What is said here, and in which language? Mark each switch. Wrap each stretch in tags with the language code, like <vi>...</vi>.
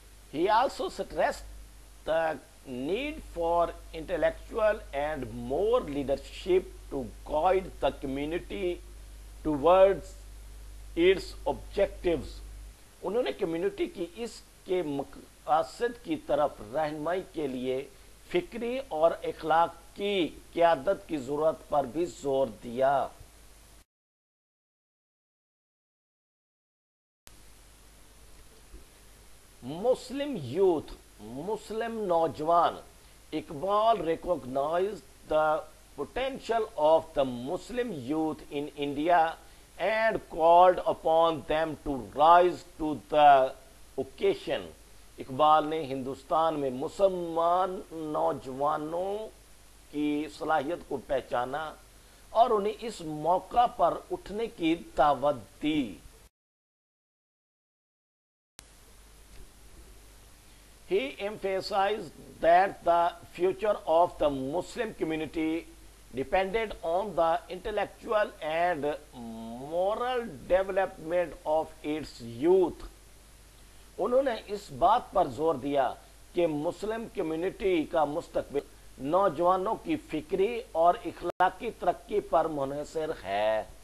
<en>He also stressed the need for intellectual and more leadership to guide the community towards its objectives.</en> <ur>انہوں نے community کی اس کے مقاصد کی طرف رہنمائی کے لیے فکری اور اخلاق کی قیادت کی ضرورت پر بھی زور دیا. مسلم یوتھ, مسلم نوجوان.</ur> <en>Iqbal recognise the potential of the Muslim youth in India and called upon them to rise to the occasion.</en> <ur>Iqbal نے ہندوستان میں مسلمان نوجوانوں کی صلاحیت کو پہچانا اور انہیں اس موقع پر اٹھنے کی دعوت دی.</ur> <en>He emphasized that the future of the Muslim community depended on the intellectual and moral development of its youth.</en> <ur>انہوں نے اس بات پر زور دیا کہ مسلم کمیونٹی کا مستقبل نوجوانوں کی فکری اور اخلاقی ترقی پر منحصر ہے.</ur>